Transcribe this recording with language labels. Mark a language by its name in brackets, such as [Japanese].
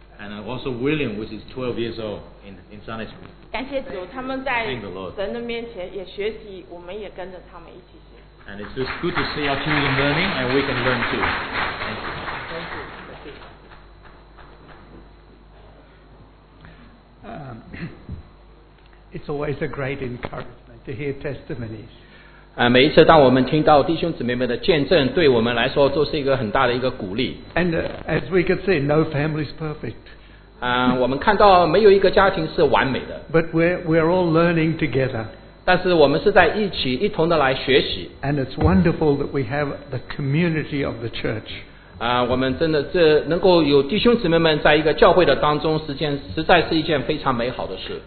[English] And also William, which is 12 years old in Sunday school. [Chinese] 感谢主，他们在神的面前也学习，我们也跟着他们一起学。 [English] And it's just good to see our children learning, and we can learn too. Thank you. It's always a great encouragement to hear testimonies. [Chinese] 每一次当我们听到弟兄姊妹们的见证，对我们来说都是一个很大的一个鼓励。 [English] And as we could see, no family is perfect. [Chinese] 我们看到没有一个家庭是完美的。 [English] But we're all learning together. [Chinese] 但是我们是在一起一同的来学习。 [English] And it's wonderful that we have the community of the church. [Chinese] 我们真的这能够有弟兄姊妹们在一个教会的当中，实在是一件非常美好的事。